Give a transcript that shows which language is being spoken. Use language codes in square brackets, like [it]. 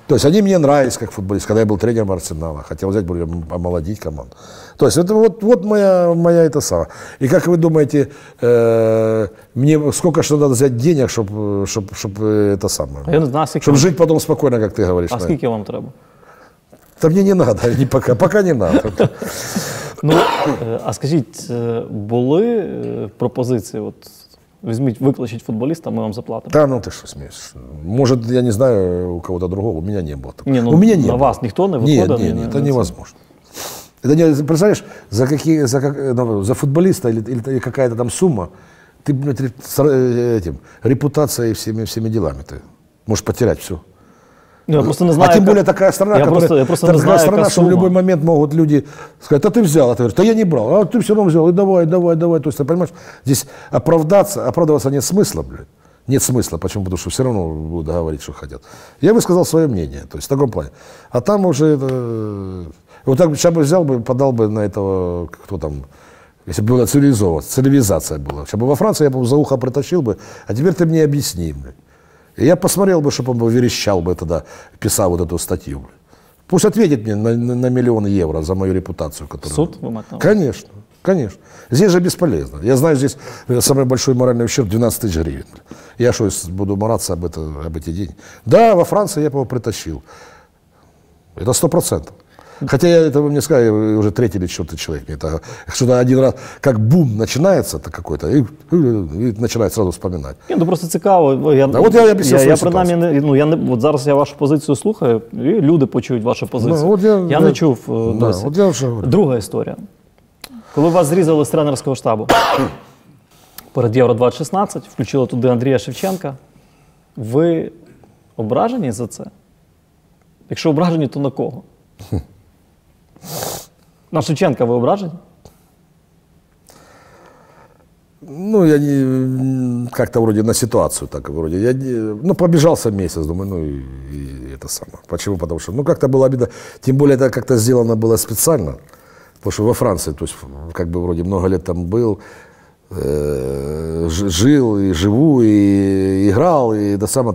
[ru] То есть, они мне нравились как футболист, когда я был тренером «Арсенала». Хотел взять, более омолодить команду. То есть, это вот моя это самое. И как вы думаете, мне сколько что надо взять денег, чтобы это самое? Чтобы жить потом спокойно, как ты говоришь. [uk] А сколько вам треба? Та мені не треба, пока не треба. Ну, а скажіть, були пропозиції, от, візьміть, викличіть футболіста, ми вам заплатимо? Та, ну ти що смієш? Може, я не знаю, [ru] у кого-то другого, [uk] у мене не було такого. Ні, ну, у мене на вас ніхто не виходить? Ні, це невозможно. Представляєш, за футболіста [ru] или какая-то там [uk] сума, ти з репутацією і всіми ділами, ти можеш потеряти все. Ну, я просто не знаю, [ru] а тим более как... такая страна, [uk] що [ru] в любой момент могут люди сказать, та ты взял, а ты говоришь, та я не брал, а ты все равно взял, и давай. То есть, ты понимаешь, здесь оправдываться нет смысла, блядь. Нет смысла, почему? Потому что все равно будут говорить, что хотят. Я высказал свое мнение, то есть в таком плане. А там уже это... Вот так бы сейчас бы взял, подал бы на этого, кто там, Если бы было цивилизовано, цивилизация была. Если бы во Франции, я бы за ухо притащил бы, а теперь ты мне объясни. И я посмотрел бы, чтобы он бы верещал бы тогда, писал вот эту статью. Пусть ответит мне на миллион евро за мою репутацию. Которую... Суд вымотал? Конечно, конечно. Здесь же бесполезно. Я знаю, здесь самый большой моральный ущерб 12 тысяч гривен. Я что, буду мараться об, это, об эти деньги? Да, во Франции я бы его притащил. Это 100%. Хотя я это вы мне сказали, уже третий или четвертый человек мне это что-то один раз, как бум начинается-то какой-то, и начинает сразу вспоминать. [uk] Ні, ну просто цікаво. [ru] Я, да, от я объяснил [uk] я принаймні, ну, я не, от зараз я вашу позицію слухаю, і люди почують вашу позицію. Ну, от я не чув досі. Да, от я вже говорю. Друга історія. Коли вас зрізали з тренерського штабу перед Євро-2016, включили туди Андрія Шевченка, ви ображені за це? Якщо ображені, то на кого? На Шевченка ви ображені? Ну, я не... [ru] Как-то вроде на ситуацию так, вроде. Я не, ну, побежался месяц, думаю, ну и это самое. Почему? Потому что, ну, как-то было обидно. Тем более, это как-то сделано было специально. Потому что во Франции, то есть, как бы, вроде, много лет там был, жил и живу, и играл, и это самое.